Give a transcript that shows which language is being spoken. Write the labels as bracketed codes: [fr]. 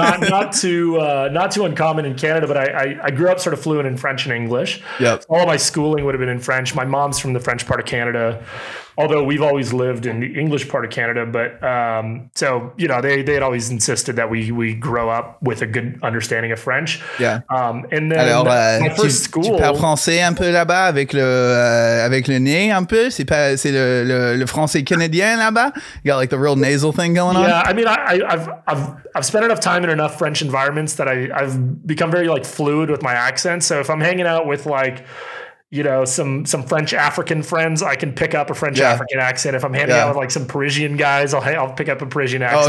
[en] not too uncommon in Canada, but I grew up sort of fluent in French and English. Yep. All of my schooling would have been in French. My mom's from the French part of Canada, although we've always lived in the English part of Canada. But, so, you know, they had always insisted that we grow up with a good understanding of French. Yeah. And then alors, my first school. [fr] Tu parles français un peu là-bas avec le nez un peu. C'est pas, c'est le français canadien là-bas. [en] You got like the real nasal thing going on. Yeah. I mean, I've spent enough time in enough French environments that I've become very like fluid with my accent. So if I'm hanging out with like, you know, some French African friends, I can pick up a French African accent. If I'm hanging out with like some Parisian guys, I'll pick up a Parisian accent.